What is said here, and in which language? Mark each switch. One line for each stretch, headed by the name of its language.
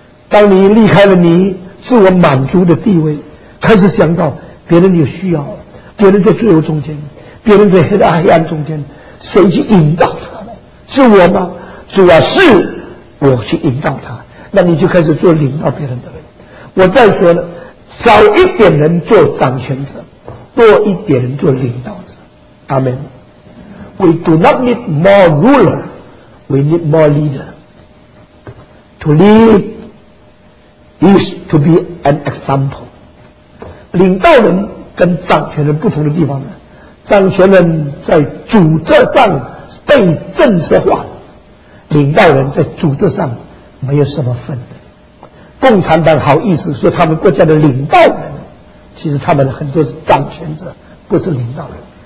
Chinese: 当你离开了你自我满足的地位，开始想到别人有需要，别人在罪恶中间，别人在黑暗黑暗中间，谁去引导他呢？是我吗？主啊，是我去引导他。那你就开始做领导别人的人。我再说了，少一点人做掌权者，多一点人做领导者。阿们。
English: We do not need more ruler, we need more leader. To lead is to be an example.
Chinese: 领导人跟掌权人不同的地方呢，掌权人在组织上被正式化，领导人在组织上没有什么分的。共产党好意思说他们国家的领导人，其实他们很多是掌权者，不是领导人。